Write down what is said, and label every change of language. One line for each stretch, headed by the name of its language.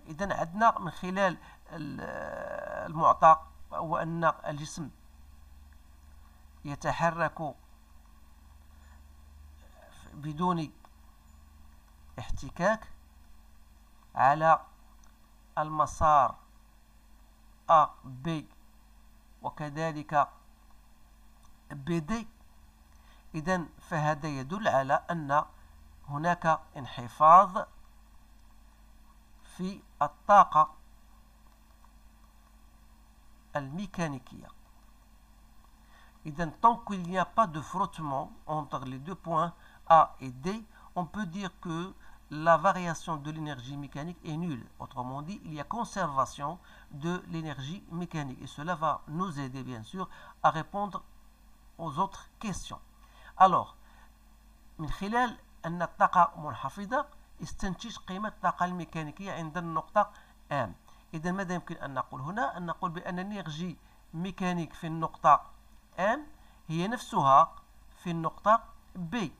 Arabic: إذا عندنا من خلال المعطى هو أن الجسم يتحرك بدون احتكاك على المسار A B وكذلك BD. إذن فهذا يدل على أن هناك انحفاظ في الطاقة الميكانيكية.
French: إذن tant qu'il n'y a pas de frottement entre les deux points A et D, on peut dire que la variation de l'énergie mécanique est nulle. Autrement dit, il y a conservation de l'énergie mécanique. Et cela va nous aider, bien sûr, à répondre aux autres questions.
Arabic: Alors, من خلال أن الطاقة منحفظة، استنتج قيمة الطاقة الميكانيكية عند النقطة M. إذن ماذا يمكن أن نقول هنا؟ أن نقول بأن الإنرجي ميكانيك في النقطة M هي نفسها في النقطة B.